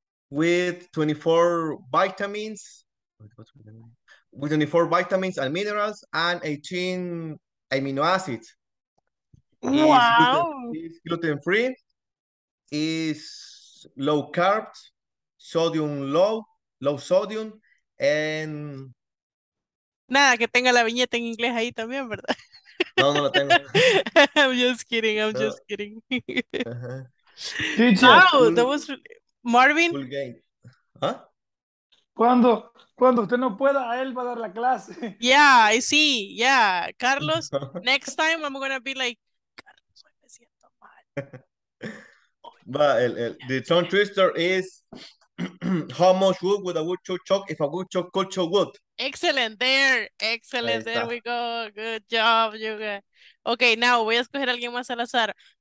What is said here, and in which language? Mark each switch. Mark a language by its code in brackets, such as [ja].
[en] With 24 vitamins, with 24 vitamins and minerals, and 18 amino acids. Wow! It's gluten free, is low carb, sodium low sodium, and. [es] Nada, que tenga la viñeta en inglés ahí también, ¿verdad? No, no la tengo. [en] I'm just kidding. Uh-huh. Wow, that was Marvin. Full game. [es] Cuando usted no pueda, a él va a dar la clase. [en] Yeah, I see. Yeah, Carlos, next time I'm gonna be like, Carlos, hoy me siento mal. But the tongue twister is how much would a woodchuck choke if a woodchuck could choke wood? Excellent. There we go. Good job, you guys. [es] Okay, now voy a escoger a alguien más al azar.